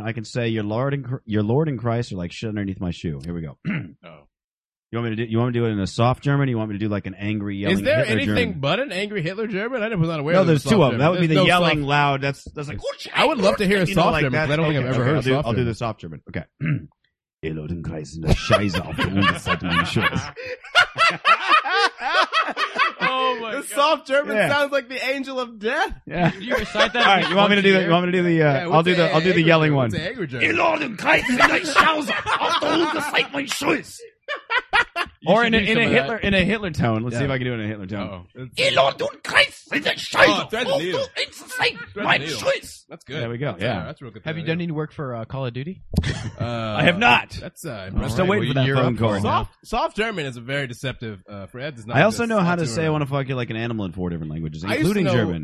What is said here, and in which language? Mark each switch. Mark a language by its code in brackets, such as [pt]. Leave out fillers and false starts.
[en] I can say your Lord and Christ are like shit underneath my shoe. Here we go. You want me to do it in a soft German? You want me to do like an angry yelling Hitler German? Is there anything German? But an angry Hitler German? I was not aware of that. No, there's two of them. That would be the yelling soft. Loud. That's like, whoosh, I would love to hear a soft German, because I don't think I've ever heard a soft German. I'll do the soft German. Okay. [de] Ihr Lord und Christ sind das Scheiße auf der Unterseite meines Schuhes. [en] Oh my the soft German sounds like the angel of death. Yeah. Did you recite that? All right, you want me to do the? I'll do the yelling one. [de] Ihr Lord und Christ sind das Scheiße auf der Unterseite meines Schuhes. [en] Or in a Hitler tone. Let's see if I can do it in a Hitler tone. [de] Ihr Lord und Christ sind das Scheiße auf der Unterseite meines Schuhes. [en] That's good. There we go. That's real good. Have you done any work for Call of Duty? I have not. That's impressive. I'm still waiting for that phone call. Soft German is a very deceptive. Fred does not. I also know how to say I want to fuck you like an animal in four different languages, including German.